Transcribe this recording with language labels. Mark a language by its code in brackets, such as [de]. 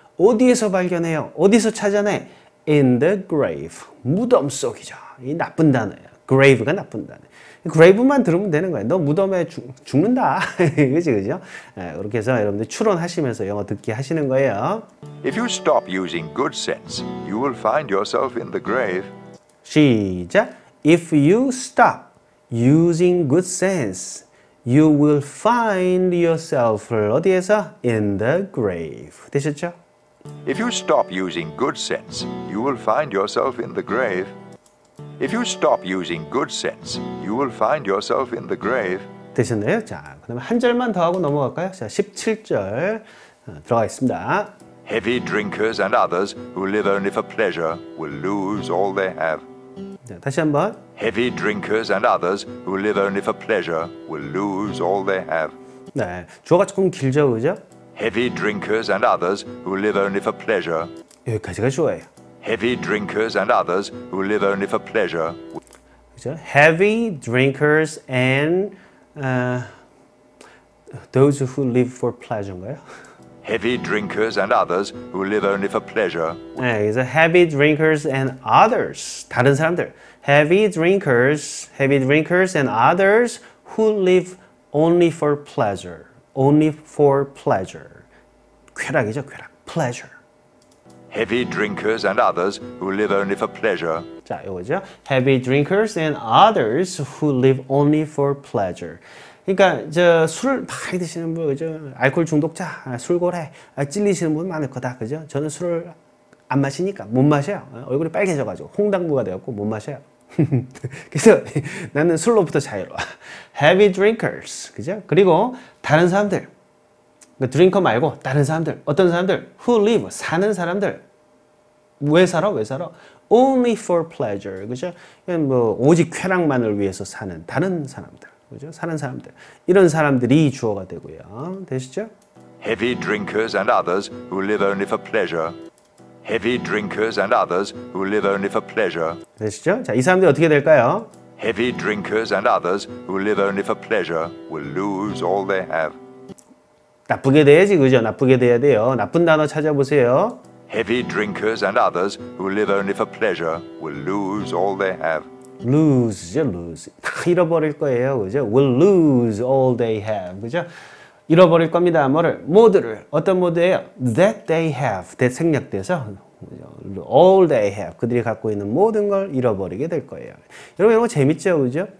[ko] 어디에서 발견해요? 어디서 찾아내? [en] In the grave. [ko] 무덤 속이죠. 이 나쁜 단어예요. Grave가 나쁜 단어. Grave만 들으면 되는 거예요. 너 무덤에 죽는다. 그렇지, 그죠? 그렇게 해서 여러분들 추론하시면서 영어 듣기 하시는 거예요. [en] If you stop using good sense, you will find yourself in the grave. 시작. If you stop using good sense, you will find yourself [ko] 어디에서? [en] In the grave. [ko] 되셨죠? [en] If you stop using good sense, you will find yourself in the grave. If you stop using good sense, you will find yourself in the grave. [ko] 되셨나요? 자, 그럼 한 절만 더 하고 넘어갈까요? 자, 17절 들어가겠습니다. [en] Heavy drinkers and others who live only for pleasure will lose all they have. [ko] 자, 다시 한번. [en] Heavy drinkers and others who live only for pleasure will lose all they have. [ko] 네, 주어가 조금 길죠, 그죠? [en] Heavy drinkers and others who live only for pleasure. [ko] 여기까지가 좋아요. [en] Heavy drinkers and others who live only for pleasure. [ko] 그죠? [en] Heavy drinkers and those who live for pleasure인가요? Heavy drinkers and others who live only for pleasure. [ko] 네, 그래서 [en] heavy drinkers and others, [ko] 다른 사람들. [en] Heavy drinkers and others who live only for pleasure. Only for pleasure. [ko] 쾌락이죠, 쾌락. [en] Pleasure. Heavy drinkers and others who live only for pleasure. [ko] 자, 이거죠. [en] Heavy drinkers and others who live only for pleasure. [ko] 그러니까 저 술을 많이 드시는 분, 그죠? 알코올 중독자, 술고래 찔리시는 분 많을 거다, 그죠? 저는 술을 안 마시니까 못 마셔요. 얼굴이 빨개져가지고 홍당무가 되었고 못 마셔요. 그래서 나는 술로부터 자유로워. [en] Heavy drinkers, [ko] 그죠? 그리고 다른 사람들, 그러니까 드링커 말고 다른 사람들, 어떤 사람들, [en] who live, [ko] 사는 사람들, 왜 살아? [en] Only for pleasure, [ko] 그죠? 그냥 뭐 오직 쾌락만을 위해서 사는 다른 사람들. 그죠? 사는 사람들. 이런 사람들이 주어가 되고요. 되시죠? Heavy drinkers and others who live only for pleasure. Heavy drinkers and others who live only for pleasure. 되시죠? 자, 이 사람들이 어떻게 될까요? [en] Heavy drinkers and others who live only for pleasure will lose all they have. [ko] 나쁘게 돼야지, 그죠? 나쁘게 돼야 돼요. 나쁜 단어 찾아보세요. [en] heavy drinkers and others who live only for pleasure will lose all they have. Lose, lose. [ko] 다 잃어버릴 거예요, 그죠? [en] Will lose all they have, [ko] 그죠? 잃어버릴 겁니다. 뭐를? 모두를. 어떤 모두예요? [en] That they have. That [ko] 생략돼서 [en] all they have. [ko] 그들이 갖고 있는 모든 걸 잃어버리게 될 거예요. 여러분, 이런 거 재밌죠, 그죠?